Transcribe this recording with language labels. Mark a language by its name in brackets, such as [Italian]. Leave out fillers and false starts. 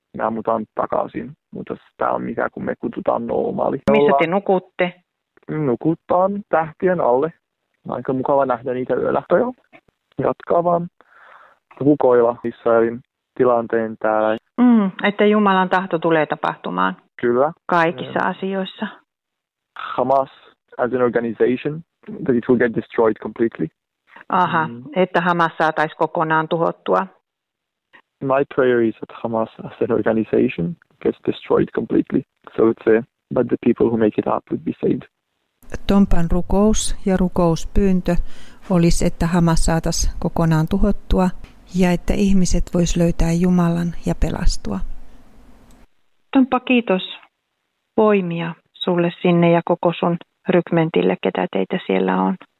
[Finnish] Me ammutaan takaisin, mutta tämä on mikä, kun me kututaan normaali. Missä te nukutte? Nukutaan tähtien alle. Aika mukava nähdä niitä yöllä. Jatkaa vaan. Rukoilla Israelin tilanteen täällä. Että Jumalan tahto tulee tapahtumaan. Kyllä. Kaikissa asioissa. [English] Hamas as an organization, that it will get destroyed completely. [Finnish] Aha, että Hamas saataisi kokonaan tuhottua. [English] My prayer is that Hamas as an organization gets destroyed completely, so it's a, but the people who make it up would be saved. [Finnish] Tompan rukous ja rukouspyyntö olisi, että Hamas saatas kokonaan tuhottua ja että ihmiset vois löytää Jumalan ja pelastua. Tompa, kiitos. Voimia sulle sinne ja koko sun rykmentille, ketä teitä siellä on.